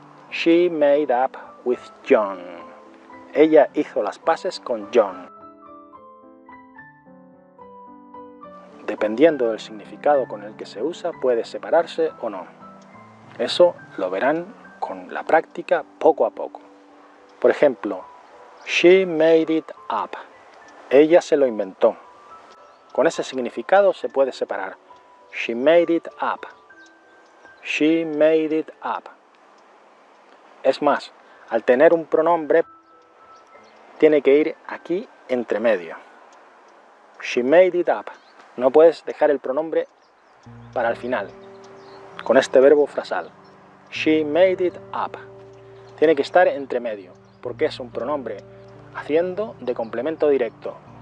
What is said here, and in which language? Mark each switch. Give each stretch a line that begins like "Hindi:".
English: She made up with John.
Spanish: Ella hizo las paces con John. Dependiendo del significado con el que se usa, puede separarse o no. Eso lo verán con la práctica poco a poco. Por ejemplo,
English: she made it up.
Spanish: Ella se lo inventó. Con ese significado se puede separar.
English: She made it up. She made it up.
Spanish: Es más, al tener un pronombre, tiene que ir aquí entre medio.
English: She made it up.
Spanish: No puedes dejar el pronombre para el final, con este verbo frasal.
English: She made it up.
Spanish: Tiene que estar entre medio, porque es un pronombre haciendo de complemento directo.